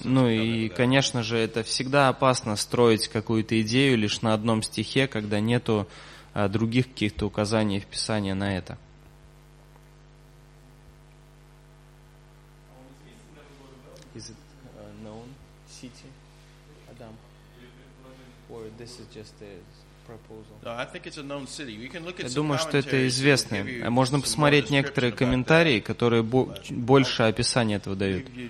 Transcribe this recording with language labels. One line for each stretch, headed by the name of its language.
Russian: И, конечно же, это всегда опасно строить какую-то идею лишь на одном стихе, когда нету других каких-то указаний в Писании на это.
English: Is it known city Adam, or this is just a proposal? No, I think it's a known city. You can look at.
Russian: Я думаю, что это известно. Можно посмотреть некоторые комментарии, которые больше описания этого дают.